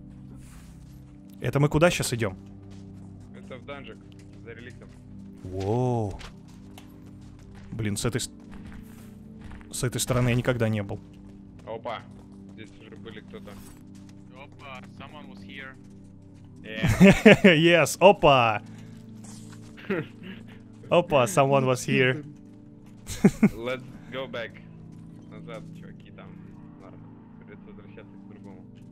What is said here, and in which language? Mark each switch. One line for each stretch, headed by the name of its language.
Russian: Ой. Это мы куда сейчас идем? Это в данжик. Воу. Блин, с этой стороны я никогда не был. Опа, здесь уже были кто-то.
English: Опа, someone was here. Yes, опа. Опа, someone was here. Let's go back.
Russian: Назад, чуваки, там. Ладно, придется возвращаться к другому.